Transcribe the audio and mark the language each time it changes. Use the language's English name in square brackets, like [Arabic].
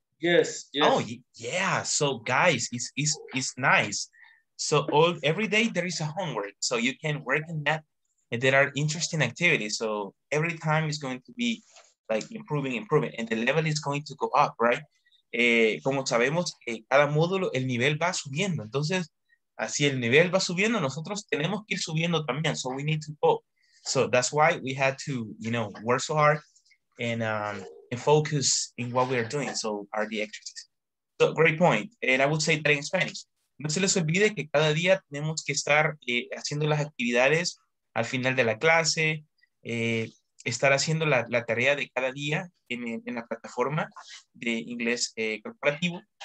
[English] Yes, yes. Oh yeah. So guys, it's nice. So every day there is a homework. So you can work on that. And there are interesting activities. So every time is going to be like improving. And the level is going to go up, right? [Spanish] Como sabemos, cada módulo, el nivel va subiendo. Entonces, así el nivel va subiendo, nosotros tenemos que ir subiendo también. [English] So we need to go. So that's why we had to, you know, work so hard and focus in what we are doing. So are the activities. So great point. And I would say that in Spanish. [Spanish] No se les olvide que cada día tenemos que estar haciendo las actividades al final de la clase, estar haciendo la tarea de cada día en la plataforma de inglés corporativo.